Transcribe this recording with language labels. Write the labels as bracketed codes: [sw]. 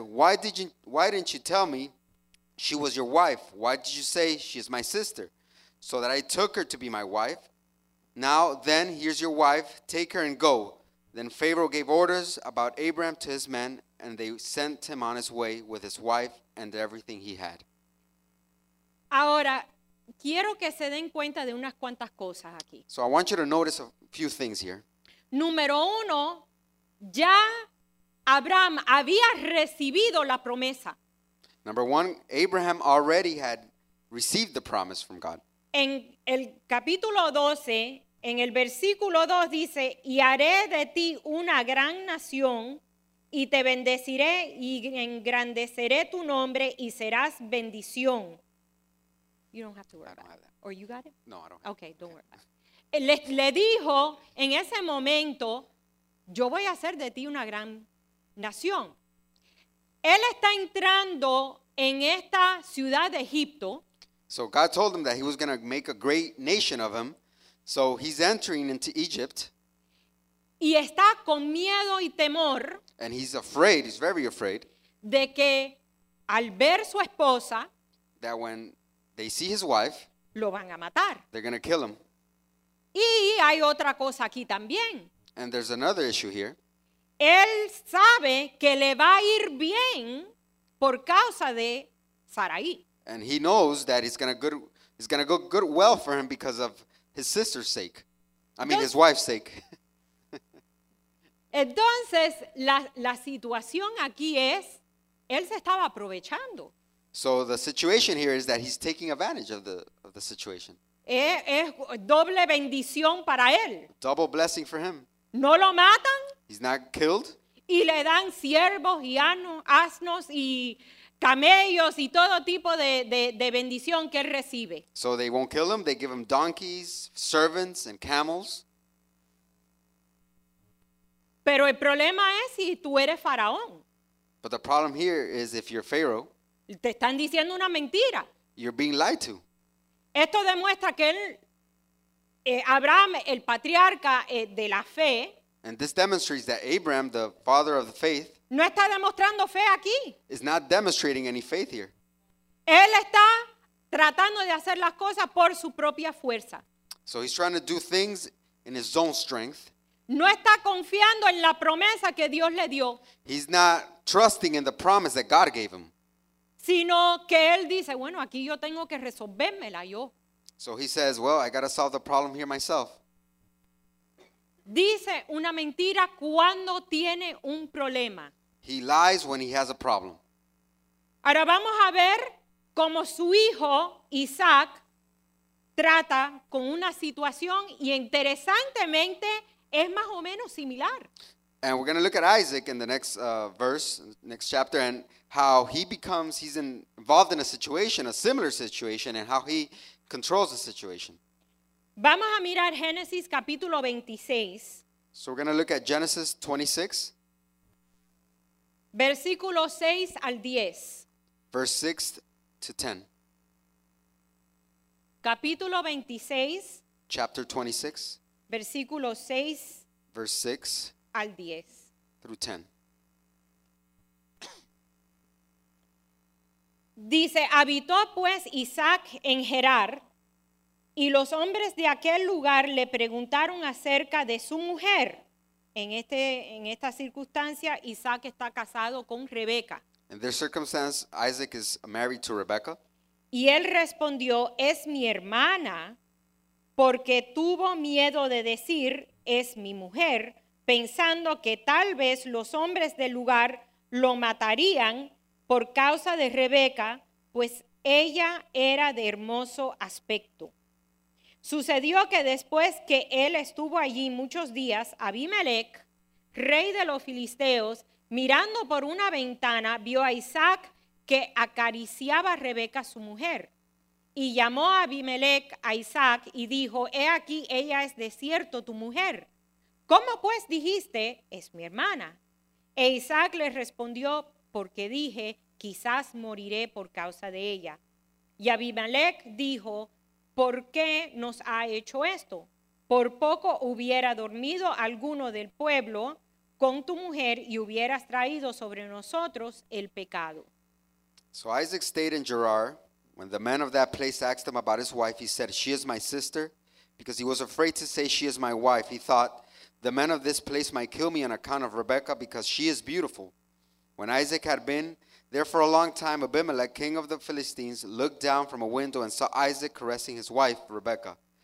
[en] Why didn't you tell me she was your wife? Why did you say she is my sister, so that I took her to be my wife? Now then, here's your wife. Take her and go." Then Pharaoh gave orders about Abram to his men, and they sent him on his way with his wife and everything he had. [es] Ahora, quiero que se den cuenta de unas cuantas cosas aquí. [en] So I want you to notice a few things here. [es] Número uno, ya Abraham había recibido la promesa. [en] Number one, Abraham already had received the promise from God. [es] En el capítulo 12, en el versículo 2 dice, "Y haré de ti una gran nación, y te bendeciré, y engrandeceré tu nombre, y serás bendición." [en] You don't have to worry about that. Or you got it? No, I don't have. Okay, don't worry about it. [es] Le dijo en ese momento, yo voy a hacer de ti una gran nación. Él está entrando en esta ciudad de Egipto. [en] So God told him that he was going to make a great nation of him. So he's entering into Egypt. [es] Y está con miedo y temor. [en] And he's afraid, he's very afraid. [es] De que al ver su esposa. [en] That when they see his wife. [es] Lo van a matar. [en] They're going to kill him. [es] Y hay otra cosa aquí también. [en] And there's another issue here. [es] Él sabe que le va a ir bien por causa de Sarai. [en] And he knows that it's going to go good well for him because of his sister's sake. His wife's sake. [es] Entonces, la situación aquí es, él se estaba aprovechando. [en] So the situation here is that he's taking advantage of the situation. [es] Es doble bendición para él. [en] Double blessing for him. [es] No lo matan. [en] He's not killed. [es] Y le dan siervos y asnos y camellos y todo tipo de bendición que él recibe. [en] So they won't kill him. They give him donkeys, servants, and camels. [es] Pero el problema es si tú eres faraón. [en] But the problem here is if you're Pharaoh. [es] Te están diciendo una mentira. [en] You're being lied to. [es] Esto demuestra que él, Abraham, el patriarca de la fe. [en] And this demonstrates that Abraham, the father of the faith, [es] no está demostrando fe aquí. [en] Is not demonstrating any faith here. [es] Él está tratando de hacer las cosas por su propia fuerza. [en] So he's trying to do things in his own strength. [es] No está confiando en la promesa que Dios le dio. [en] He's not trusting in the promise that God gave him. [es] Sino que él dice, bueno, aquí yo tengo que resolvérmela yo. [en] So he says, well, I got to solve the problem here myself. [es] Dice una mentira cuando tiene un problema. [en] He lies when he has a problem. [es] Ahora vamos a ver cómo su hijo Isaac trata con una situación y interesantemente es más o menos similar. [en] And we're going to look at Isaac in the next verse, next chapter, and how he's involved in a situation, a similar situation, and how he controls the situation. [es] Vamos a mirar Génesis capítulo 26. [en] So we're going to look at Genesis 26. [es] Versículo 6 al 10. [en] Verse 6 to 10. [es] Capítulo 26. [en] Chapter 26. [es] Versículo 6. [en] Verse 6. [es] Al 10. [en] Through 10. [es] Dice, habitó pues Isaac en Gerar. Y los hombres de aquel lugar le preguntaron acerca de su mujer. En esta circunstancia, Isaac está casado con Rebeca. [en] In this circumstance, Isaac is married to Rebecca. [es] Y él respondió, es mi hermana, porque tuvo miedo de decir, es mi mujer, pensando que tal vez los hombres del lugar lo matarían por causa de Rebeca, pues ella era de hermoso aspecto. Sucedió que después que él estuvo allí muchos días, Abimelech, rey de los filisteos, mirando por una ventana, vio a Isaac que acariciaba a Rebeca, su mujer. Y llamó a Abimelec a Isaac y dijo, he aquí, ella es de cierto tu mujer. ¿Cómo pues dijiste, es mi hermana? E Isaac le respondió, porque dije, quizás moriré por causa de ella. Y Abimelec dijo, ¿por qué nos ha hecho esto? Por poco hubiera dormido alguno del pueblo con tu mujer y hubieras traído sobre nosotros el pecado. [en] So Isaac stayed in Gerar. When the men of that place asked him about his wife, he said, she is my sister. Because he was afraid to say she is my wife, he thought, the men of this place might kill me on account of Rebekah because she is beautiful. When Isaac had been there for a long time, Abimelech, king of the Philistines, looked down from a window and saw Isaac caressing his wife, Rebekah.